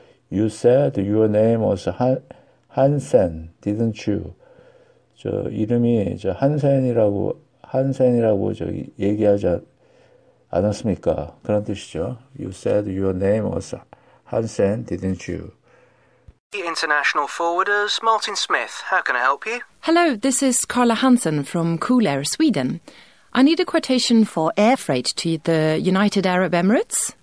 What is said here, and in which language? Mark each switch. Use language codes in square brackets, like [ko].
[en] You said your name was Hansen, didn't you? [ko] 저 이름이 저 한센이라고 저기 얘기하지 않았습니까? 그런 뜻이죠. [en] You said your name was Hansen, didn't you? International forwarders, Martin Smith. How can I help you? Hello, this is Carla Hansen from Cool Air Sweden. I need a quotation for air freight to the United Arab Emirates.